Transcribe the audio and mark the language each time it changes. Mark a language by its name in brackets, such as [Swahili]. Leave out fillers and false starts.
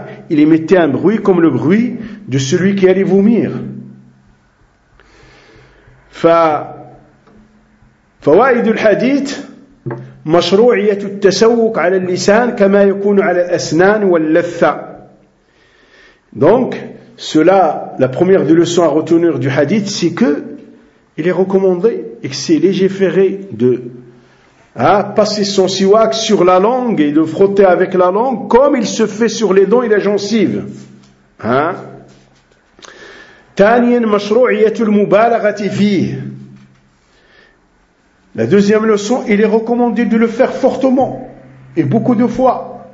[French] Il émettait un bruit comme le bruit de celui qui allait vomir. [Arabic] فوائد الحديث مشروعية التسوق على اللسان كما يكون على الأسنان واللثة. [French] Donc cela, la première des leçons à retenir du hadith, c'est que il est recommandé et que c'est légiféré de passer son siwak sur la langue et de frotter avec la langue comme il se fait sur les dents et la gencive. [Arabic] ثانيا مشروعية المبالغة فيه. [French] La deuxième leçon, il est recommandé de le faire fortement et beaucoup de fois.